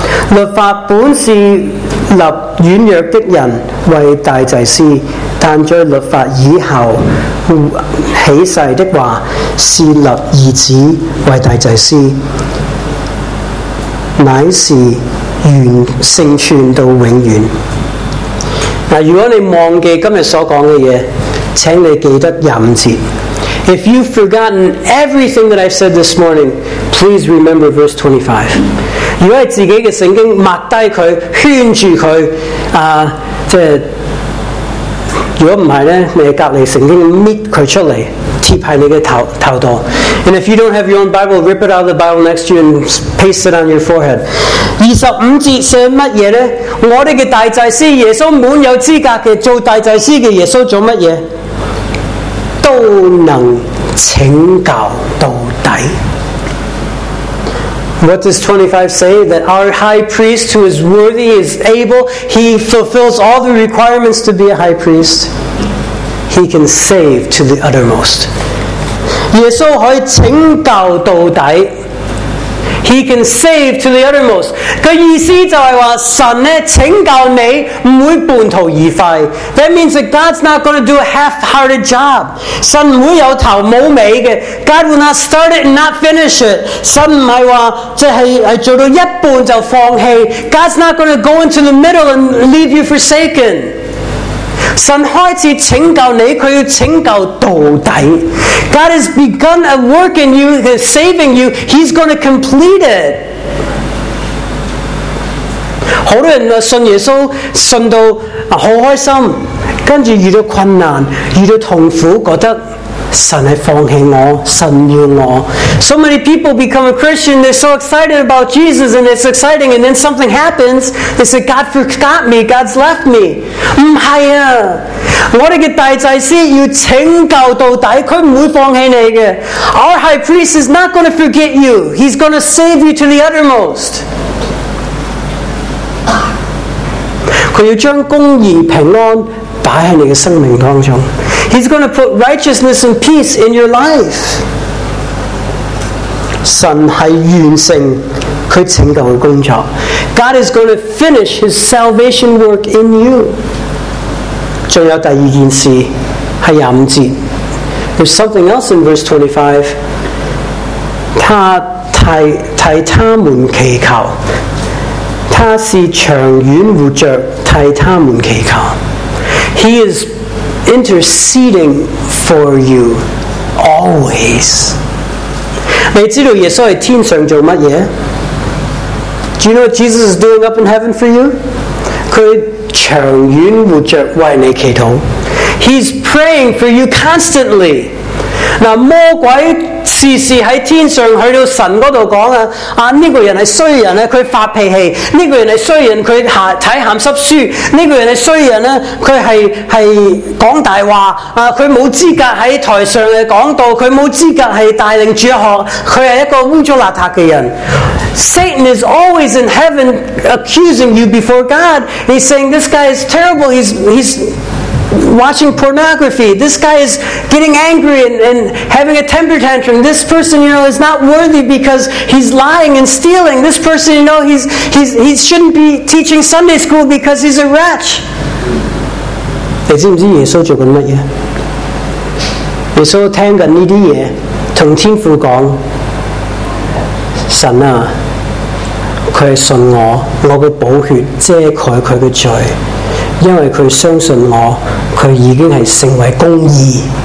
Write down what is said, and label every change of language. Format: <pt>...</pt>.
<yue>律法本是立软弱的人为大祭司，但在律法以后起誓的话，是立儿子为大祭司，乃是完成全到永远。如果你忘记今天所说的话，请你记得25节。</yue> <en>If you've forgotten everything that I've said this morning, please remember verse 25.</en> <yue>如果是自己的圣经，抹低它，圈住它，如果不是呢，你隔离圣经，搣它出来，贴在你的头上。</yue> <en>And if you don't have your own Bible, rip it out of the Bible next to you and paste it on your forehead.</en> <yue>25节写什么呢？我们的大祭司耶稣满有资格的，做大祭司的耶稣做什么？都能拯救到底。</yue> <en>What does 25 say? That our high priest who is worthy is able, he fulfills all the requirements to be a high priest, he can save to the uttermost.</en> <yue>耶稣可以拯救到底。</yue> <en>He can save to the uttermost.</en> <yue>他意思就是说，神呢，拯救你不会半途而废。</yue> <en>That means that God's not going to do a half-hearted job.</en> <yue>神不会有头没尾的。</yue> <en>God will not start it and not finish it.</en> <yue>神不是说，做到一半就放弃。</yue> <en>God's not going to go into the middle and leave you forsaken.</en> <yue>神开始拯救你，他要拯救到底。</yue> <en>God has begun a work in you, is saving you, He's going to complete it.</en> <yue>很多人信耶稣，信到很开心，跟着遇到困难，遇到痛苦，觉得神是放弃我，神要我。</yue> <en>So many people become a Christian, they're so excited about Jesus, and it's exciting, and then something happens, they say, God forgot me, God's left me.</en> <yue>不是啊，我们的大祭司要拯救到底，他不会放弃你的。</yue> <en>Our high priest is not going to forget you, he's going to save you to the uttermost.</en> <yue>他要将公义平安摆在你的生命当中。</yue> <en>He's going to put righteousness and peace in your life.</en> <yue>神是完成祂拯救的工作。</yue> <en>God is going to finish His salvation work in you.</en> <yue>还有第二件事是25节。</yue> <en>There's something else in verse 25.</en> <yue>祂替他们祈求，祂是长远活着替他们祈求。</yue> <en>He is interceding for you always.</en> <yue>你知道耶稣在天上做什么？</yue> <en>Do you know what Jesus is doing up in heaven for you?</en> <yue>他长远活着为你祈祷。 He's praying for you constantly.</yue> <en>Now,</en> <yue>魔鬼时时在天上去到神那里说、啊、这个人是衰人，他发脾气，这个人是衰人，他看咸湿书，这个人是衰人，他 是讲大话、啊、他没有资格在台上讲道，他没有资格是带领主学，他是一个污糟邋遢的人。</yue> <en>Satan is always in heaven accusing you before God. He's saying this guy is terrible, he's watching pornography, this guy is getting angry and having a temper tantrum, this person you know is not worthy because he's lying and stealing, this person you know he shouldn't be teaching Sunday school because he's a wretch.</en> <yue>你知不知道耶稣做了什么？耶稣听着这些东西跟天父说，神啊，他信我，我的宝血遮盖他的罪，因为他相信我，他已经是成为公义。</yue>